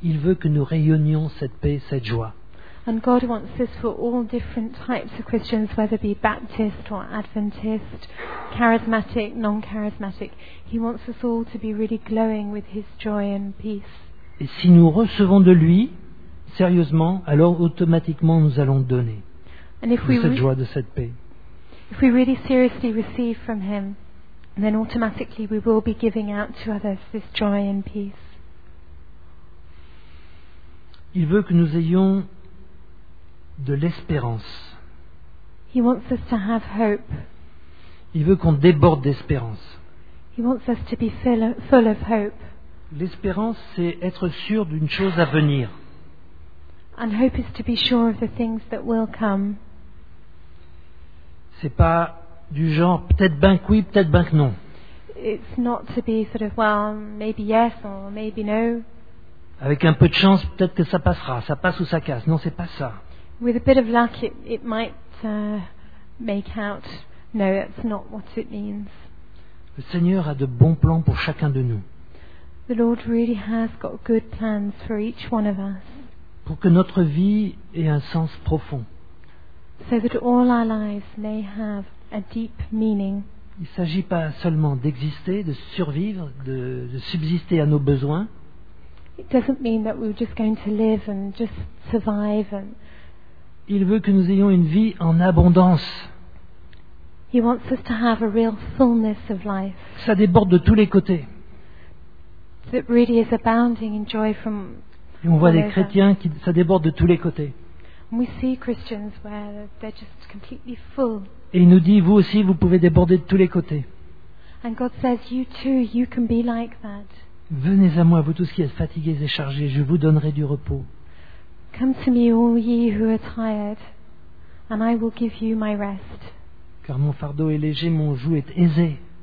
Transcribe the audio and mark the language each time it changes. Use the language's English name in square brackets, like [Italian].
[French] Il veut que nous rayonnions cette paix, cette joie. [English] And God wants this for all different types of Christians, whether be Baptist or Adventist, charismatic, non-charismatic. He wants us all to be really glowing with his joy and peace. [French] Et si nous recevons de lui, sérieusement, alors automatiquement nous allons donner cette joie, de cette paix. [English] If we really seriously receive from him, then automatically we will be giving out to others this joy and peace. [French] Il veut que nous ayons de l'espérance. [English] He wants us to have hope. [French] Il veut qu'on déborde d'espérance. [English] He wants us to be full of hope. [French] L'espérance, c'est être sûr d'une chose à venir. [English] And hope is to be sure of the things that will come. [French] C'est pas du genre peut-être ben que oui, peut-être ben que non. [English] It's not to be sort of well, maybe yes or maybe no. [French] Avec un peu de chance, peut-être que ça passera, ça passe ou ça casse. Non, c'est pas ça. [English] With a bit of luck, it might make out. No, that's not what it means. [French] Le Seigneur a de bons plans pour chacun de nous. [English] The Lord really has got good plans for each one of us. [French] Pour que notre vie ait un sens profond. [English] So that all our lives may have a deep meaning. [French] Il ne s'agit pas seulement d'exister, de survivre, de subsister à nos besoins. [English] It doesn't mean that we're just going to live and just survive and. [French] Il veut que nous ayons une vie en abondance. [English] He wants us to have a real fullness of life. [French] Ça déborde de tous les côtés. [English] That really is abounding in joy from. [French] Et on voit des chrétiens qui ça déborde de tous les côtés. [English] We see Christians where they're just completely full. [French] Et il nous dit, vous aussi, vous pouvez déborder de tous les côtés. [English] And God says, you too, you can be like that. [French] Venez à moi, vous tous qui êtes fatigués et chargés, je vous donnerai du repos. [English] Come to me, all ye who are tired, and I will give you my rest. [French] Car mon fardeau est léger, mon joug est aisé.